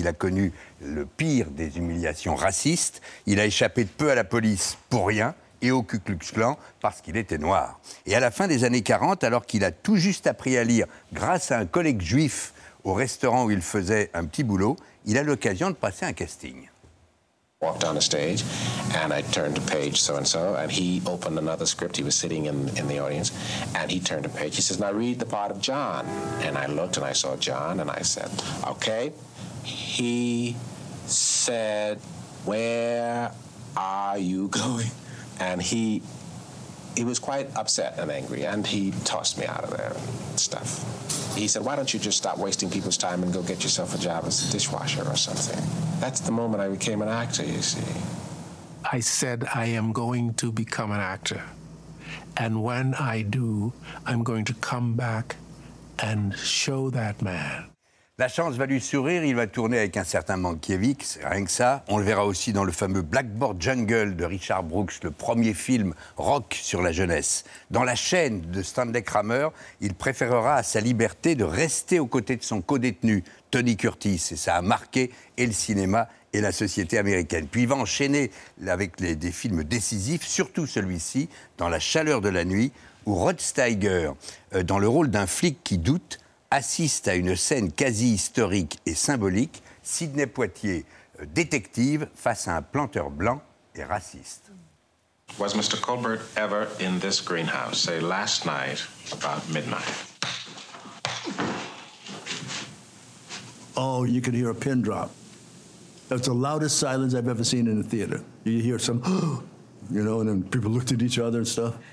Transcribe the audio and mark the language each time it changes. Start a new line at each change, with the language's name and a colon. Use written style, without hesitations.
French: Il a connu le pire des humiliations racistes. Il a échappé de peu à la police pour rien et au Ku Klux Klan parce qu'il était noir. Et à la fin des années 40, alors qu'il a tout juste appris à lire grâce à un collègue juif au restaurant où il faisait un petit boulot, il a l'occasion de passer un casting.
English: Walked on a stage, and I turned to page so-and-so, and he opened another script. He was sitting in the audience, and he turned to page. He says, now read the part of John. And I looked, and I saw John, and I said, okay. He said, where are you going? And he was quite upset and angry, and he tossed me out of there and stuff. He said, why don't you just stop wasting people's time and go get yourself a job as a dishwasher or something? That's the moment I became an actor, you see. I said, I am going to become an actor. And when I do, I'm going to come back and show that man.
French: La chance va lui sourire, il va tourner avec un certain Mankiewicz, rien que ça. On le verra aussi dans le fameux Blackboard Jungle de Richard Brooks, le premier film rock sur la jeunesse. Dans La Chaîne de Stanley Kramer, il préférera à sa liberté de rester aux côtés de son co-détenu, Tony Curtis. Et ça a marqué et le cinéma et la société américaine. Puis il va enchaîner avec des films décisifs, surtout celui-ci, dans La Chaleur de la Nuit, où Rod Steiger, dans le rôle d'un flic qui doute, assiste à une scène quasi historique et symbolique, Sidney Poitier, détective, face à un planteur blanc et raciste.
English: Was Mr. Colbert ever in this greenhouse, say, last night, about midnight? Oh, you could hear a pin drop. That's the loudest silence I've ever seen in a theater. You hear some, you know, and then people looked at each other and stuff.